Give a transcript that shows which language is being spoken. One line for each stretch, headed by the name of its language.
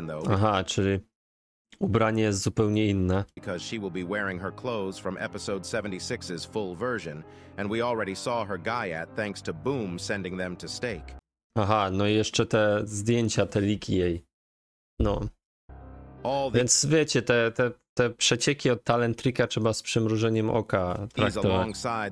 Polish: Aha, czyli ubranie jest zupełnie inne.
English: Because she will be wearing her clothes from episode 76's full version, and we already saw her Gaiat thanks to Boom sending them to stake.
Polish: Aha, no i jeszcze te zdjęcia, te leaki jej. No. Więc wiecie, te przecieki od Talent Tricka trzeba z przymrużeniem oka traktować.